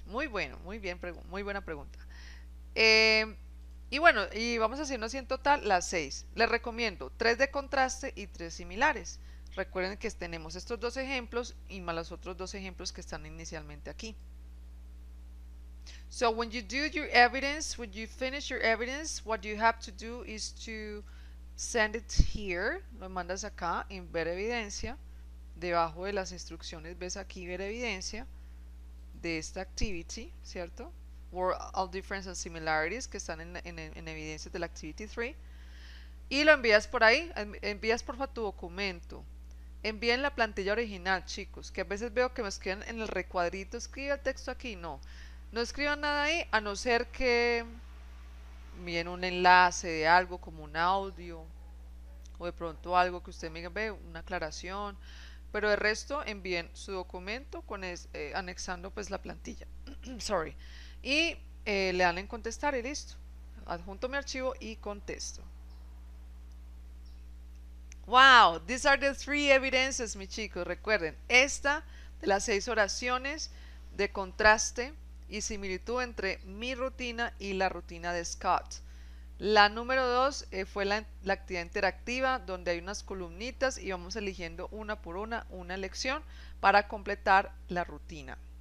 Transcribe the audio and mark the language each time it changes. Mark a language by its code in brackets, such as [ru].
[es] Muy bueno, muy bien, muy buena pregunta. Y bueno, y vamos haciendo así en total las seis. Les recomiendo tres de contraste y tres similares. Recuerden que tenemos estos dos ejemplos y más los otros dos ejemplos que están inicialmente aquí. [en] So when you do your evidence, when you finish your evidence, what you have to do is to send it here. [es] Lo mandas acá en ver evidencia. Debajo de las instrucciones ves aquí ver evidencia de esta activity, ¿cierto? [en] Where all differences and similarities [es] que están en evidencia de la activity 3. Y lo envías por ahí, envías porfa tu documento. Envíen la plantilla original, chicos, que a veces veo que me escriben en el recuadrito, escribe el texto aquí, no. No escriban nada ahí, a no ser que miren un enlace de algo como un audio o de pronto algo que usted me diga, ve una aclaración, pero de resto envíen su documento con anexando pues la plantilla. Sorry. Y le dan en contestar y listo. Adjunto mi archivo y contesto. [en] Wow, these are the three evidences, [es] mis chicos. Recuerden, esta de las seis oraciones de contraste y similitud entre mi rutina y la rutina de Scott. La número dos fue la actividad interactiva, donde hay unas columnitas y vamos eligiendo una por una lección para completar la rutina.